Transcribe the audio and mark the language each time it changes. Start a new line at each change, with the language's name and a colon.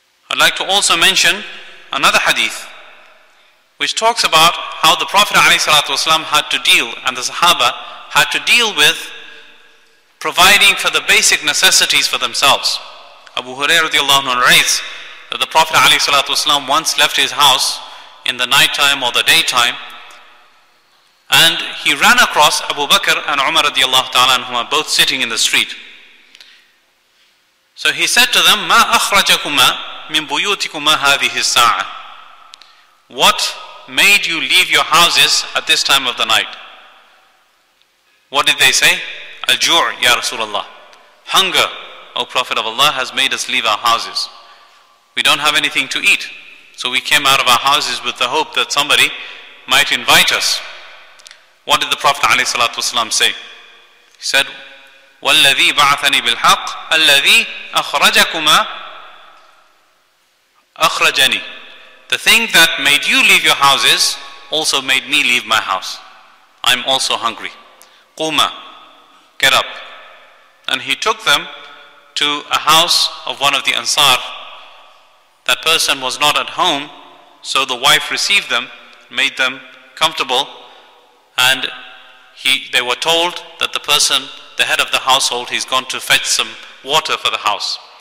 English: I'd like to also mention another hadith which talks about how the Prophet ﷺ had to deal, and the Sahaba had to deal with providing for the basic necessities for themselves. Abu Hurairah radiallahu anhu narrates that the Prophet ﷺ once left his house in the night time or the daytime, and he ran across Abu Bakr and Umar radiallahu ta'ala anhu, who are both sitting in the street. So he said to them,
Arabic: مَا أَخْرَجَكُمَا مِن بُيُوتِكُمَا هَذِهِ السَّاعَةِ.
English: What made you leave your houses at this time of the night? What did they say?
Arabic: Al-ju' ya Rasulullah.
English: Hunger, O Prophet of Allah, has made us leave our houses. We don't have anything to eat. So we came out of our houses with the hope that somebody might invite us. What did the Prophet ﷺ say? He said,
Arabic: وَالَّذِي بَعَثَنِي بِالْحَقِّ أَلَّذِي أَخْرَجَكُمَا أَخْرَجَنِي.
English: The thing that made you leave your houses also made me leave my house. I'm also hungry.
Arabic: قُمَا,
English: get up. And he took them to a house of one of the Ansar. That person was not at home, so the wife received them, made them comfortable, and they were told that the person, the head of the household, he's gone to fetch some water for the house.